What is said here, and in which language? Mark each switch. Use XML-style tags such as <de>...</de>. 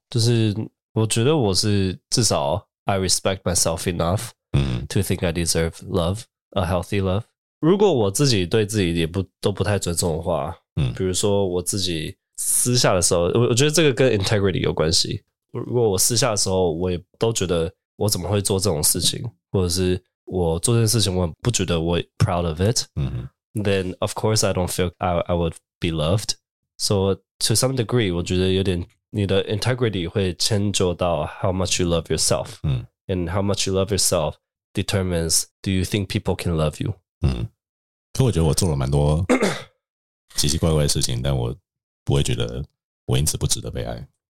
<zh>就是我觉得我是至少</zh> <en>I respect myself enough to think I deserve love a healthy love</en> <zh>如果我自己对自己也不都不太尊重的话比如说我自己私下的时候，我觉得这个跟 integrity 有关系。如果我私下的时候，我也都觉得我怎么会做这种事情，或者是我做这件事情，我不觉得我</zh> <en>proud of it、 mm-hmm. then of course I don't feel I would be loved. So to some degree,</en> <zh>我觉得有点你的</zh> <en>integrity</en> <zh>会牵扯到</zh> <en>how much you love yourself、 mm-hmm. and how much you love yourself determines do you think people can love you.</en> <zh>嗯，可我觉得我做了蛮多奇奇怪怪的事情，但我不会觉得我因此不值得被爱。</zh>